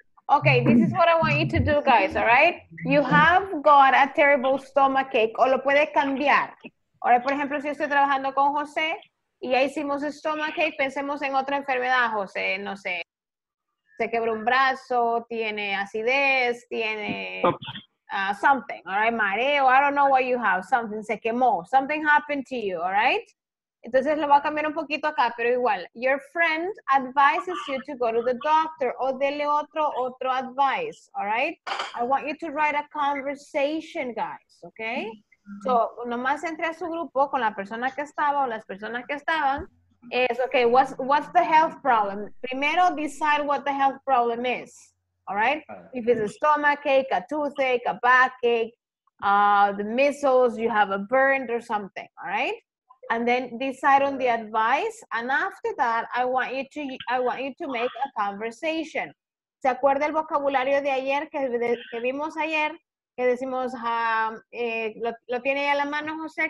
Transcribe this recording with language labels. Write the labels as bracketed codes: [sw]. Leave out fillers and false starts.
[en] Okay, this is what I want you to do, guys, all right? You have got a terrible stomachache, [es] o lo puede cambiar. [en] All right, [es] por ejemplo, si estoy trabajando con José, y ya hicimos stomachache, pensemos en otra enfermedad, José, no sé. Se quebró un brazo, tiene acidez, tiene [en] something, all right? [es] Mareo, [en] I don't know what you have, something, [es] se quemó. [en] Something happened to you, all right? [es] Entonces lo va a cambiar un poquito acá, pero igual. [en] Your friend advises you to go to the doctor [es] o dele otro [en] advice, all right? I want you to write a conversation, guys, okay? So, [es] nomás entre a su grupo con la persona que estaba o las personas que estaban, es, [en] okay, what's the health problem? [es] Primero, [en] decide what the health problem is, all right? If it's a stomachache, a toothache, a backache, the measles, you have a burn or something, all right? And then decide on the advice. And after that, I want you to make a conversation. [es] ¿Se acuerda el vocabulario de ayer que vimos ayer? Que decimos, lo tiene ahí a la mano, José.